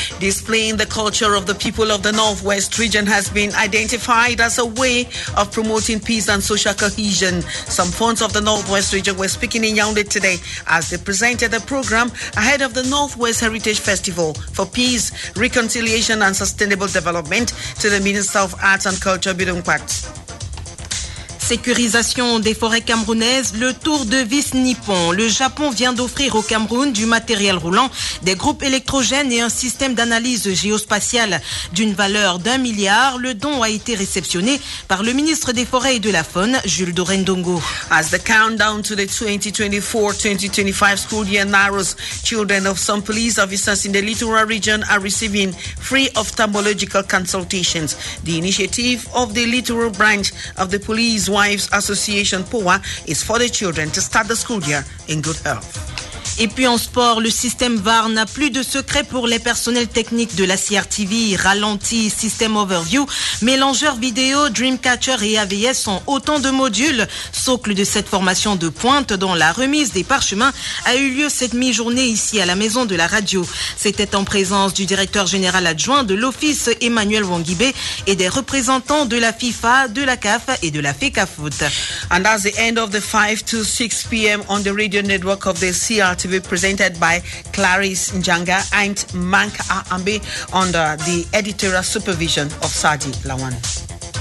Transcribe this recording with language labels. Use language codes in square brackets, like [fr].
[en] Displaying the culture of the people of the Northwest region has been identified as a way of promoting peace and social cohesion. Some funds of the Northwest region were speaking in Yaoundé today as they presented the program ahead of the Northwest Heritage Festival for Peace, Reconciliation and Sustainable Development to the Minister of Arts and Culture, Bidunquat. [fr] Sécurisation des forêts camerounaises, le tour de vis nippon. Le Japon vient d'offrir au Cameroun du matériel roulant, des groupes électrogènes et un système d'analyse géospatiale d'une valeur d'1 milliard. Le don a été réceptionné par le ministre des Forêts et de la Faune, Jules Dorendongo. [en] As the countdown to the 2024-2025 school year narrows, children of some police officers in the littoral region are receiving free ophthalmological consultations. The initiative of the littoral branch of the police Wives Association POA is for the children to start the school year in good health. [fr] Et puis en sport, le système VAR n'a plus de secret pour les personnels techniques de la CRTV. Ralenti, système overview, mélangeur vidéo, Dreamcatcher et AVS sont autant de modules. Socle de cette formation de pointe dont la remise des parchemins a eu lieu cette mi-journée ici à la maison de la radio. C'était en présence du directeur général adjoint de l'office Emmanuel Wangibé et des représentants de la FIFA, de la CAF et de la FECAFOOT. [en] And that's the end of the 5 to 6 p.m. on the radio network of the CRTV. To be presented by Clarice Njanga and Manka Ambe under the editorial supervision of Sadi Lawan.